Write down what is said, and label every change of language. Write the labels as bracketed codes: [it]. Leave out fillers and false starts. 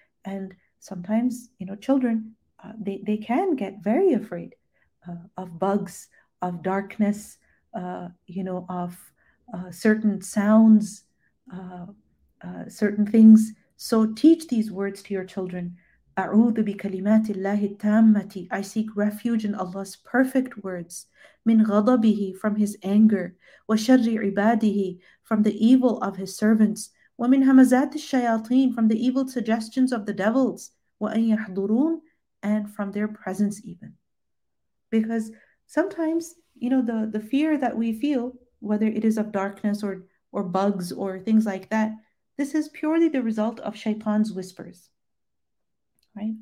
[en] And sometimes, children, they can get very afraid of bugs, of darkness, of certain sounds, certain things. So teach these words to your children. [ar] أعوذ بكلمات الله التامة. [en] I seek refuge in Allah's perfect words. [ar] من غضبه, [en] from His anger. [ar] وشر عباده, [en] from the evil of His servants. [ar] ومن همزات الشياطين, [en] from the evil suggestions of the devils. [ar] وأن يحضرون, [en] and from their presence even. Because sometimes, the fear that we feel, whether it is of darkness or bugs or things like that, this is purely the result of shaitan's whispers, right?